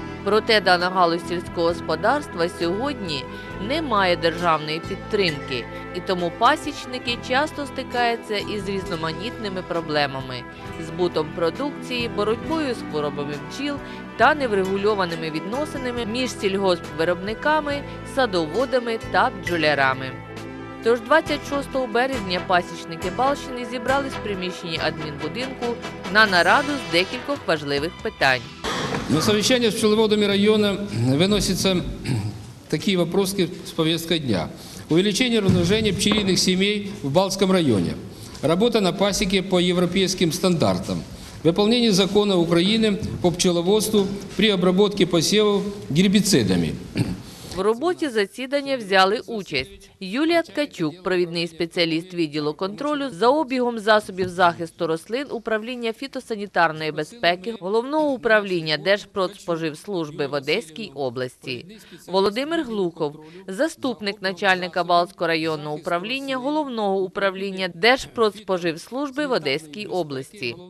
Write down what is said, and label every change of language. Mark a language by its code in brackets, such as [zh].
[uk] Проте дана галузь сільського господарства сьогодні не має державної підтримки, і тому пасічники часто стикаються із різноманітними проблемами – збутом продукції, боротьбою з хворобами бджіл та неврегульованими відносинами між сільгоспвиробниками, садоводами та бджолярами. Тож 26 березня пасічники Балщини зібрались в приміщенні адмінбудинку на нараду з декількох важливих питань. [ru] На совещание с пчеловодами района выносятся такие вопросы с повестки дня. Увеличение размножения пчелиных семей в Балтском районе. Работа на пасеке по европейским стандартам. Выполнение закона Украины по пчеловодству при обработке посевов гербицидами. [uk] В роботі засідання взяли участь Юлія Ткачук, провідний спеціаліст відділу контролю за обігом засобів захисту рослин управління фітосанітарної безпеки Головного управління Держпродспоживслужби в Одеській області. Володимир Глухов, заступник начальника Балтського районного управління Головного управління Держпродспоживслужби в Одеській області.